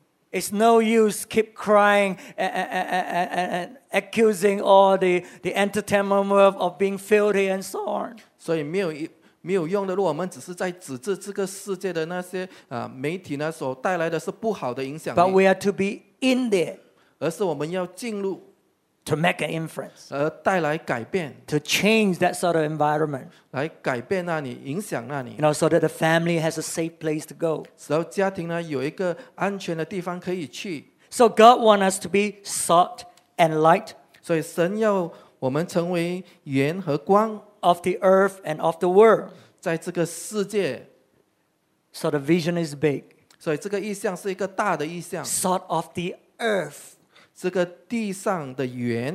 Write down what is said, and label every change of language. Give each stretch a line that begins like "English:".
English: It's no use keep crying and accusing all the entertainment world of being filthy and so on.
Chinese: 所以没有用的。如果我们只是在指责这个世界的那些媒体呢，所带来的是不好的影响力。
English: But we are to be in there.
Chinese: 而是我们要进入。
English: To make an influence.
Chinese: 而带来改变。
English: To change that sort of environment.
Chinese: 来改变那里，影响那里。
English: You know, so that the family has a safe place to go.
Chinese: 使到家庭呢有一个安全的地方可以去。
English: So God wants us to be salt and light.
Chinese: 所以神要我们成为盐和光。
English: Of the earth and of the world.
Chinese: 在这个世界。
English: So the vision is big.
Chinese: 所以这个意象是一个大的意象。
English: Salt of the earth.
Chinese: 这个地上的盐